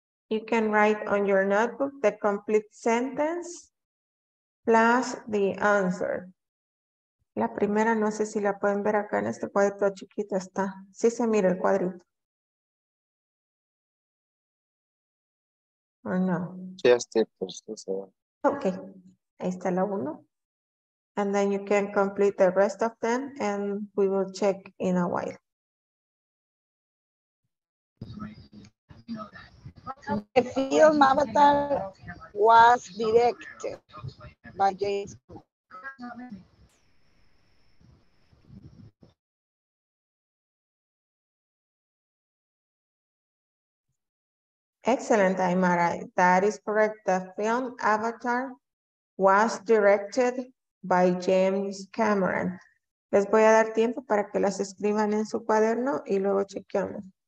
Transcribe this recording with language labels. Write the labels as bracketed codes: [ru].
[en] You can write on your notebook the complete sentence plus the answer. [es] La primera, no sé si la pueden ver acá en este cuadrito chiquito, está. Sí se mira el cuadrito. ¿O no? Sí, está, pues, sí se ve. Okay, ahí está la uno. [en] And then you can complete the rest of them and we will check in a while. The film Avatar was directed by James Cook. Excellent, Aymara. That is correct. The film Avatar was directed by James Cameron. [es] Les voy a dar tiempo para que las escriban en su cuaderno y luego chequeamos.